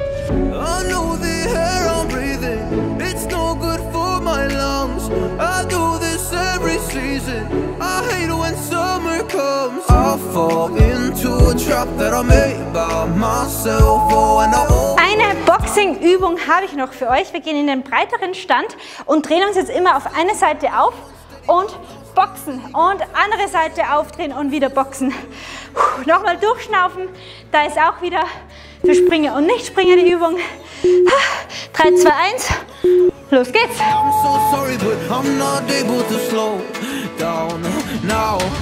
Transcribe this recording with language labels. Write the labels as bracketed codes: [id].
[en] I know the air I'm breathing, it's no good for my lungs. I do this every season, I hate when summer comes. I fall into a trap that I made by myself. Oh, and I [de] eine Boxing-Übung habe ich noch für euch. Wir gehen in den breiteren Stand und drehen uns jetzt immer auf eine Seite auf und boxen. Und andere Seite aufdrehen und wieder boxen. Nochmal durchschnaufen. Da ist auch wieder für Springer und Nichtspringer die Übung. 3, 2, 1. Los geht's. [en] I'm so sorry, but I'm not able to slow down now.